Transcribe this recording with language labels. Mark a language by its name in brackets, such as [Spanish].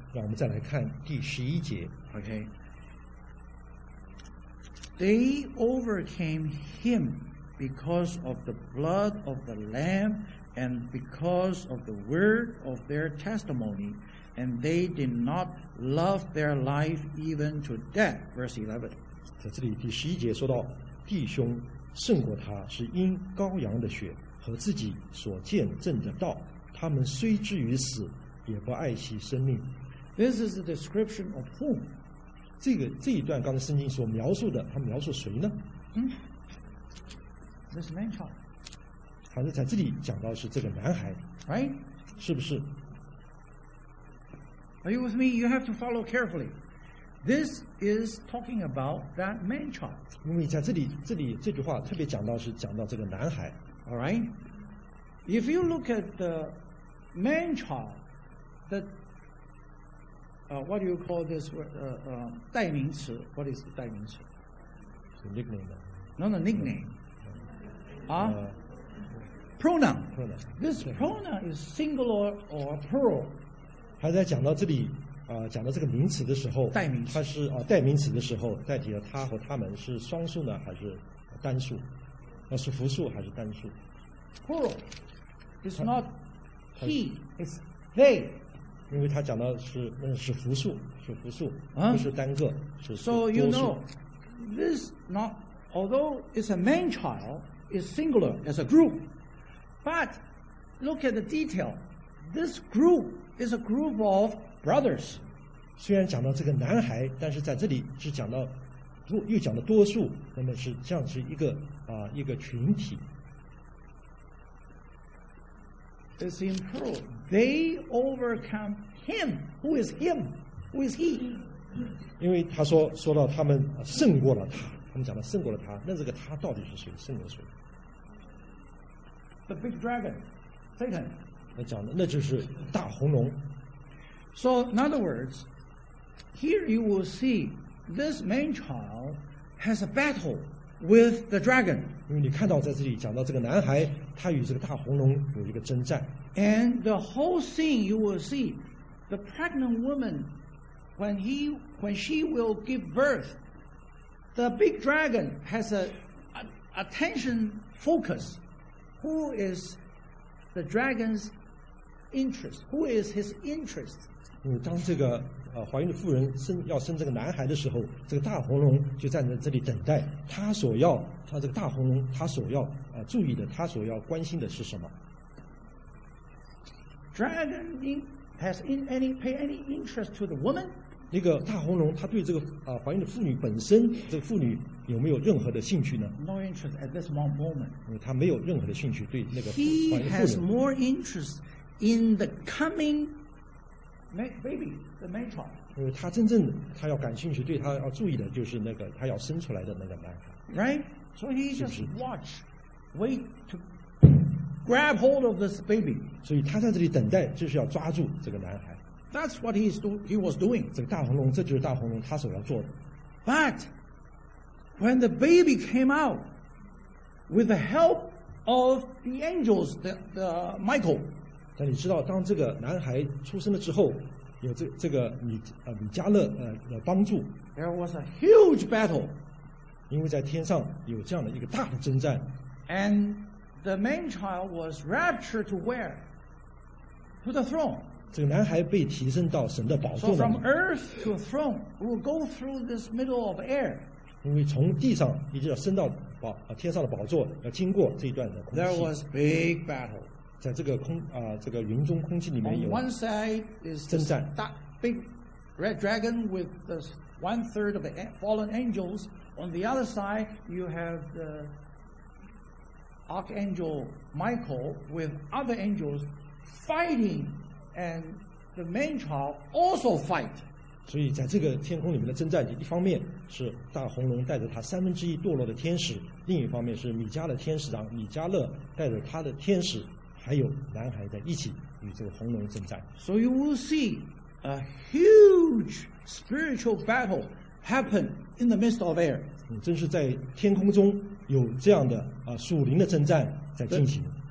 [Chinese] 让我们再来看第十一节。 [English] Okay. They overcame him because of the blood of the Lamb. And because of the word of their testimony, and they did not love their life even to death. Verse 11. [Chinese] 在这里第十一节说到，弟兄胜过他是因羔羊的血和自己所见证的道。他们虽至于死，也不爱惜生命。 [English] This is a description of whom? [Chinese] 这一段刚才圣经所描述的，他描述谁呢？ [English] This man child. [Chinese] 好像在这里讲到是这个男孩 [English] right? [Chinese] 是不是 [English] Are you with me? You have to follow carefully. This is talking about that man child. [Chinese] 因为在这里这句话特别讲到这个男孩 [English] All right? If you look at the man child, what do you call this 代名词 What is the 代名词 The nickname. No, the nickname. Pronoun. This pronoun is singular or plural. [Chinese] 他在讲到这里，讲到这个名词的时候，代名词，他是代名词的时候，代替了他和他们是双数呢，还是单数？那是复数还是单数 [English] ？Plural. It's not he. It's they. [Chinese] 因为他讲到是复数，是复数，不是单个，是多数。 [English] So you know, this not although it's a man child, it's singular as a group. But look at the detail. This group is a group of brothers. [Chinese] 虽然讲到这个男孩，但是在这里是讲到又讲的多数，那么是这样是一个啊一个群体。 [English] It's in plural. They overcome him. Who is him? Who is he? [Chinese] 因为他说说到他们胜过了他，他们讲的胜过了他，那这个他到底是谁？胜过谁 [English] ？The big dragon, Satan. [Chinese] 那讲的那就是大红龙。 [English] So in other words, here you will see this man child has a battle with the dragon. [Chinese] 因为你看到在这里讲到这个男孩，他与这个大红龙有一个征战。 [English] And the whole scene you will see, the pregnant woman, when she will give birth, the big dragon has a attention focus. Who is the dragon's interest? Who is his interest? [Chinese] 当这个怀孕的妇人生要生这个男孩的时候，这个大红龙就站在这里等待。他所要，他这个大红龙，他所要注意的，他所要关心的是什么 [English] ？Dragon has any pay any interest to the woman？ [Chinese] 那个大红龙，他对这个怀孕的妇女本身，这个妇女有没有任何的兴趣呢 [English] ？No interest at this moment。 [Chinese] 他没有任何的兴趣对那个怀孕妇人。 [English] He has more interest in the coming。 Baby, the man child. [Chinese] 他真正他要感兴趣，对他要注意的，就是那个他要生出来的那个男孩。 [English] Right, so he just watch, wait to grab hold of this baby. [Chinese] 所以他在这里等待，就是要抓住这个男孩。 [English] That's what he was doing. [Chinese] 这个大红龙，这就是大红龙他所要做的。 [English] But when the baby came out with the help of the angels, the Michael. [Chinese] 但你知道，当这个男孩出生了之后，有这个米迦勒的帮助。 [English] There was a huge battle， [Chinese] 因为在天上有这样的一个大的征战。 [English] And the man child was raptured to where? To the throne。 [Chinese] 这个男孩被提升到神的宝座上。 [English] So from earth to a throne, we will go through this middle of air。 [Chinese] 因为从地上一直要升到天上的宝座，要经过这一段的空气。 [English] There was big battle。 [Chinese] 在这个云中空气里面有征战。 [English] On one side is this big red dragon with the one third of the fallen angels. On the other side, you have the archangel Michael with other angels fighting, and the man child also fight. [Chinese] 所以在这个天空里面的征战，一方面是大红龙带着他三分之一堕落的天使，另一方面是米迦勒天使长米迦勒带着他的天使。还有男孩在一起与这个红龙征战。 [English] So you will see a huge spiritual battle happen in the midst of air。 [Chinese] 真是在天空中有这样的属灵的征战在进行。